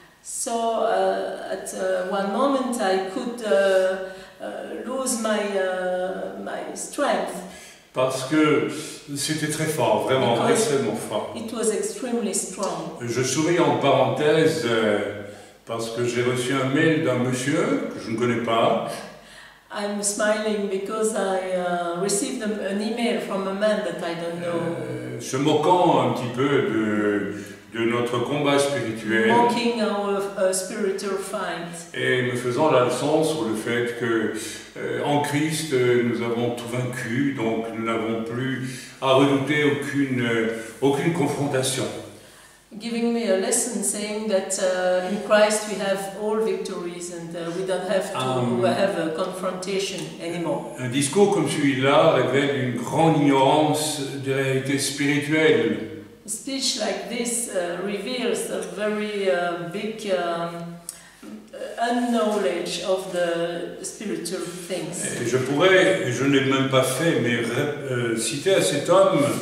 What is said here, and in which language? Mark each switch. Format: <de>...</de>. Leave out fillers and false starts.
<en>So at one moment I could lose my strength.</en> <fr>Parce que c'était très fort, vraiment, extrêmement fort.</fr> <en>It was extremely strong.</en> <fr>Je souris en parenthèse parce que j'ai reçu un mail d'un monsieur que je ne connais pas.</fr> <en>I'm smiling because I received an email from a man that I don't know.</en> <fr>Se moquant un petit peu de notre combat spirituel.</fr> <en>Mocking our spiritual fight.</en> <fr>Et me faisant la leçon sur le fait que en Christ nous avons tout vaincu, donc nous n'avons plus à redouter aucune confrontation.</fr> <en>Giving me a lesson saying that in Christ we have all victories and we don't have to have a confrontation anymore.</en> <fr>Un discours comme celui-là révèle une grande ignorance des réalités spirituelles.</fr> <en>A speech like this reveals a very big unknowledge of the spiritual things.</en> <fr>Et je pourrais, et je ne l'ai même pas fait, mais citer à cet homme</fr>